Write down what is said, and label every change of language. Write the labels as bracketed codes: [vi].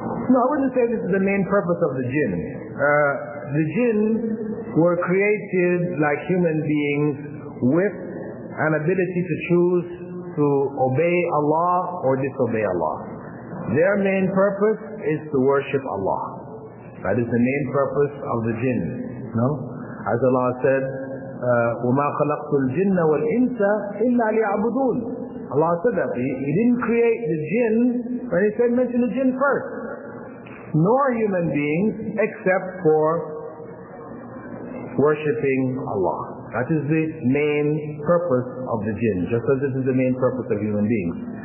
[en] No, I wouldn't say this is the main purpose of the jinn. The jinn were created like human beings with an ability to choose to obey Allah or disobey Allah. Their main purpose is to worship Allah. That is the main purpose of the jinn. No? As Allah said, [ar] وَمَا خَلَقْتُ الْجِنَّ وَالْإِنسَ إِلَّا لِيَعْبُدُونَ. [en] Allah said that. He didn't create the jinn, but He said mention the jinn first. Nor human beings except for worshipping Allah. That is the main purpose of the jinn, just as this is the main purpose of human beings.